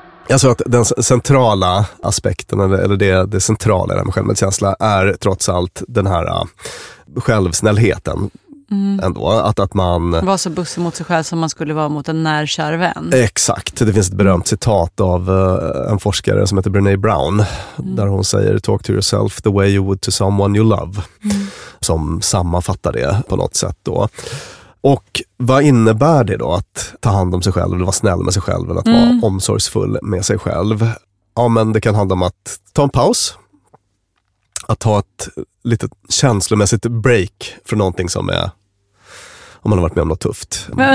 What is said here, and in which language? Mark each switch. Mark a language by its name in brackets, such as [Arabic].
[Swedish] Jag tror att den centrala aspekten, eller det centrala med självmedkänsla, är trots allt den här... självsnällheten ändå. Att man... Var så bussig mot sig själv som man skulle vara mot en närkär vän. Exakt. Det finns ett berömt citat av en forskare som heter Brené Brown. Mm. Där hon säger, [English] talk to yourself the way you would to someone you love. [Swedish] Mm. Som sammanfattar det på något sätt då. Och vad innebär det då att ta hand om sig själv eller vara snäll med sig själv eller att vara omsorgsfull med sig själv? Ja, men det kan handla om att ta en paus. Att ta ett lite känslomässigt break från någonting som är, om man har varit med om något tufft.